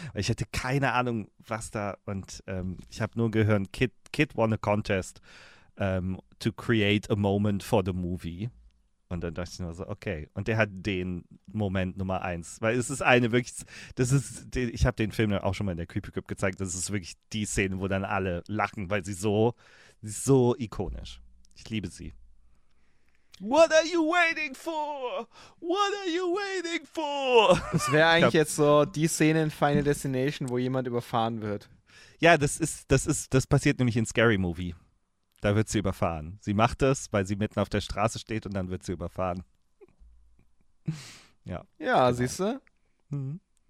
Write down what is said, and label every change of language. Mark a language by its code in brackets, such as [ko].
[de] Ich hatte keine Ahnung, was da und ich habe nur gehört, [en] Kid won a contest to create a moment for the movie. [de] Und dann dachte ich nur so, okay. Und der hat den Moment Nummer eins. Weil es ist eine wirklich, ich habe den Film dann auch schon mal in der Creepy Crypt gezeigt, das ist wirklich die Szene, wo dann alle lachen, weil sie so ikonisch. Ich liebe sie. [en] What are you waiting for? What are you waiting for? [de] Das wäre eigentlich jetzt so die Szene in Final Destination, wo jemand überfahren wird. Ja, das passiert nämlich in Scary Movie. Da wird sie überfahren. Sie macht es, weil sie mitten auf der Straße steht und dann wird sie überfahren. Ja. Ja, genau. Siehst du? Mhm.